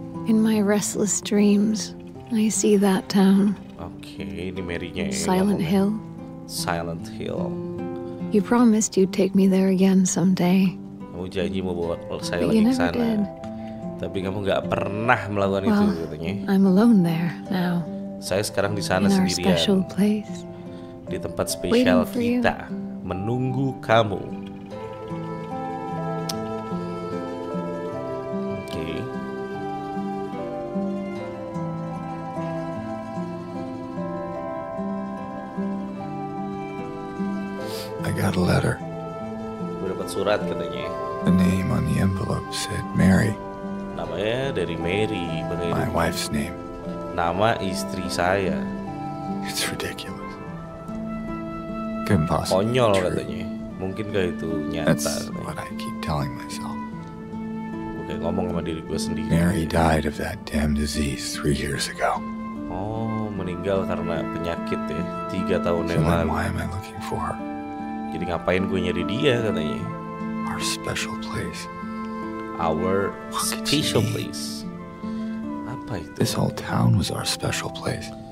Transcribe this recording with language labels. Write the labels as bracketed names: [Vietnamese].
[English] In my restless dreams, I see that town. [Indonesian] Oke, ini Mary-nya. [English] Silent Hill. Silent Hill. You promised you'd take me there again someday. [Indonesian] Kamu janji mau bawa saya lagi ke sana. Tapi kamu enggak pernah melakukan itu katanya. [English] I'm alone there now. [Indonesian] Saya sekarang di sana sendirian. [English] Special place. [Indonesian] Di tempat spesial kita menunggu kamu. Oke. [English] I got a letter. [Indonesian] Gue dapat surat katanya. [English] The name on the envelope said Mary. [Indonesian] Namanya dari Mary. [English] My wife's name. [Indonesian] Nama istri saya. [English] It's ridiculous. Couldn't possibly. [Indonesian] Konyol katanya. Mungkin gak itu nyata. [English] That's what I keep telling myself. [Indonesian] Oke, ngomong sama diri gue sendiri. [English] Mary died of that damn disease 3 years ago. [Indonesian] Oh, meninggal karena penyakit ya. 3 tahun yang lalu. [English] Why am I looking for her? [Indonesian] Jadi ngapain gue nyari dia katanya? [English] Our special place. Our special place. [Indonesian] Apa itu? [English] This whole town was our special place.